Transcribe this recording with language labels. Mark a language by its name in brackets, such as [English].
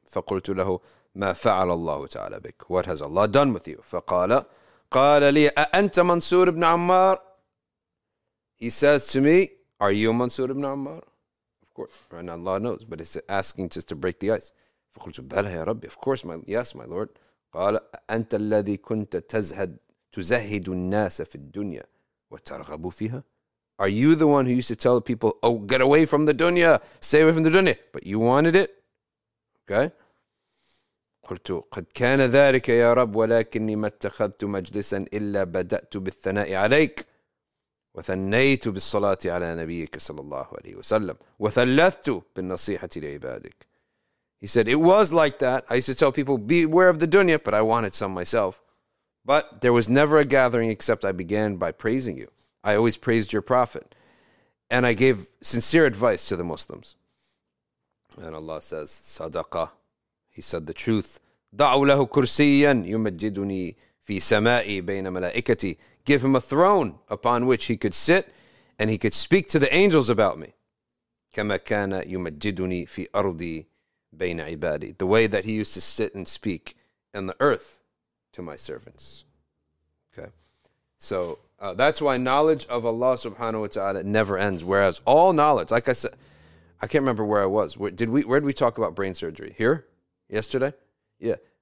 [Arabic] فقلت له ما فعل الله تعالى بك. [English] What has Allah done with you? [Arabic] فقال قال لي أأنت منصور بن عمار. [English] He says to me, are you منصور بن عمار? Of course. Right now Allah knows, but it's asking just to break the ice. [Arabic] فقلت بلى يا ربي. [English] Of course, my Lord. [Arabic] قال أنت الذي كنت تزهد الناس في الدنيا وترغب فيها. [English] Are you the one who used to tell people, oh, get away from the dunya, stay away from the dunya, but you wanted it? Okay. [Arabic] قلت قد كان ذلك يا رب ولكني ما اتخذت مجلسا إلا بدأت بالثناء عليك وثنيت بالصلاة على نبيك صلى الله عليه وسلم وثلثت بالنصيحة لعبادك. [English] He said, it was like that. I used to tell people, beware of the dunya, but I wanted some myself. But there was never a gathering except I began by praising you. I always praised your prophet. And I gave sincere advice to the Muslims. And Allah says, Sadaqa. He said the truth. [Arabic] دعو له كرسياً يمجدني في سمائي بين ملائكتي. [English] Give him a throne upon which he could sit and he could speak to the angels about me. [Arabic] كما كان يمجدني في أرضي بين عبادي. [English] The way that he used to sit and speak in the earth to my servants. Okay. So that's why knowledge of Allah subhanahu wa ta'ala never ends. Whereas all knowledge, like I said, I can't remember where I was. Where did we talk about brain surgery? Here? Yesterday? Yeah.